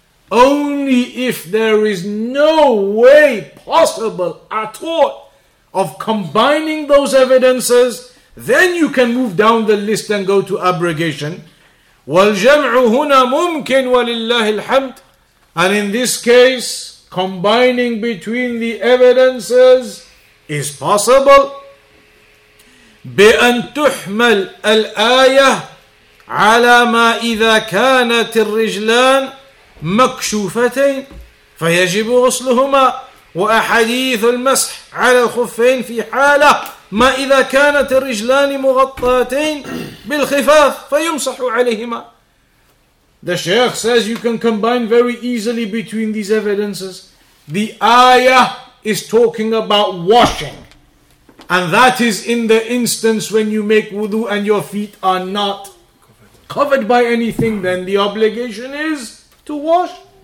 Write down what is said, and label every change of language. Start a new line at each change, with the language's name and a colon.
English: Only if there is no way possible at all of combining those evidences, then you can move down the list and go to abrogation.
Arabic: وَالْجَمْعُ هُنَا مُمْكِنْ وَلِلَّهِ الْحَمْدِ.
English: And in this case, combining between the evidences is possible.
Arabic: بأن تحمل الآية على ما إذا كانت الرجلان مكشوفتين فيجب غسلهما وأحاديث المسح على الخفين في حالة ما إذا كانت الرجلان مغطاتين بالخفاف فيمسح عليهما.
English: The Sheikh says you can combine very easily between these evidences. The ayah is talking about washing. And that is in the instance when you make wudu and your feet are not covered by anything, then the obligation is to wash.